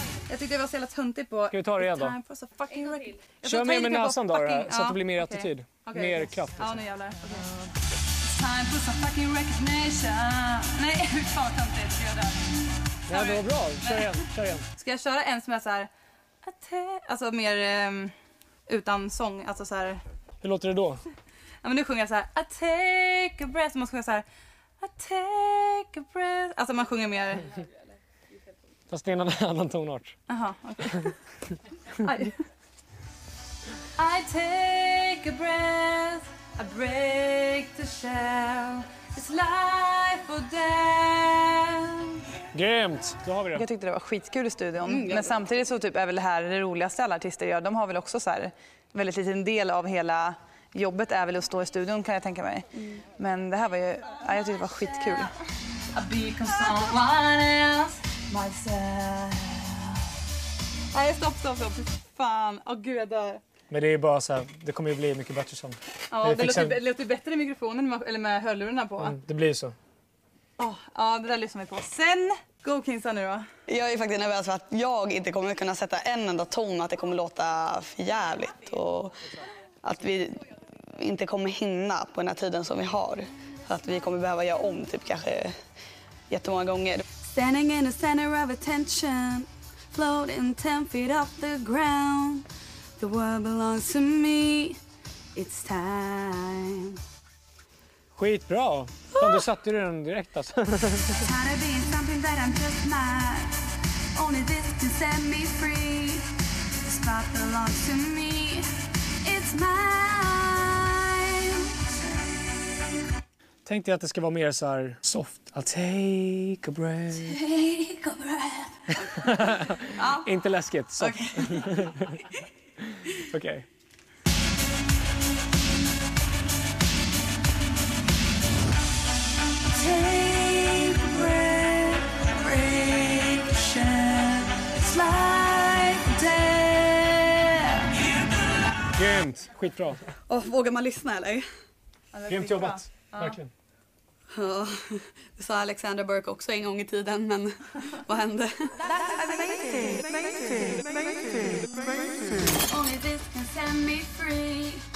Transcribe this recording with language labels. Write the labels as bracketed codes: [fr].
[sv] Jag tyckte det var så jävla töntigt på... Ska vi ta det igen då? Kör mer med näsan då, fucking... så att det blir mer attityd. Okay. Mer kraft. Ja, nu jävlar. [en] Time for some fucking recognition. [sv] Nej, fan töntigt. Ja, det var bra. Kör igen. Ska jag köra en som är så här... Alltså mer utan sång. Alltså så här... Hur låter det då? Ja, men nu sjunger jag så här... [en] I take a breath. [sv] Man sjunger så här... I take a breath. Alltså man sjunger mer... Fast det är en annan tonart. [en] Aha, okay. I take a breath, I break the shell. It's life or death. [sv] Grymt, då har vi det. Jag tyckte det var skitkul i studion. Men samtidigt så typ är väl det här det roligaste alla artister gör. De har väl också så här väldigt liten del av hela jobbet är väl att stå i studion kan jag tänka mig. Men det här var ju, ja, jag tyckte det var skitkul. [en] I become someone else. [sv] Myself. Nej, stopp. Fan. Åh, gud, jag dör. Men det är ju bara så här, det kommer ju bli mycket bättre sen. Ja, det låter bättre i mikrofonen eller med hörlurarna på. Mm, det blir ju så. Ja, det där lyssnar vi på. Sen, go Kingsa nu då. Jag är faktiskt nervös för att jag inte kommer kunna sätta en enda ton, att det kommer låta för jävligt och att vi inte kommer hinna på den här tiden som vi har. Så att vi kommer behöva göra om typ kanske jättemånga gånger. [en] Standing in the center of attention, floating 10 feet off the ground. The world belongs to me, it's time. [sv] Skitbra! Fan, du satte ju den direkt alltså. [en] Kind of being something that I'm just not. Only this can set me free. The spot belongs to me, it's mine. [sv] Tänkte jag att det ska vara mer så här soft. [en] I'll take a breath. Take a breath. [sv] Inte läskigt, soft. Okej. [en] Take a breath. Break a shell. It's like death. [sv] Grymt. Skitbra. Oh, vågar man lyssna eller? Grymt jobbat. Verkligen. Ja, det sa Alexandra Burke också en gång i tiden, men vad hände? [en] That's amazing. Only this can set me free.